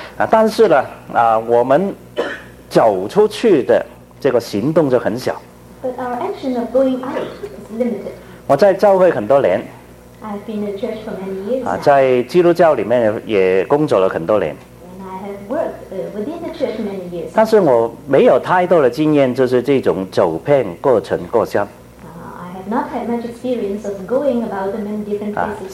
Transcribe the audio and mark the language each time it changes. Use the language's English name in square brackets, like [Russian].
[Chinese] 但是呢，我们走出去的这个行动就很小。 [English] But our action of going out is limited. [Chinese] 我在教会很多年 [English] I've been in church for many years. [Chinese] 在基督教里面也工作了很多年 [English] And I have worked within the church many years. [Chinese] 但是我没有太多的经验，就是这种走遍各城各乡 [English] I have not had much experience of going about them in different places.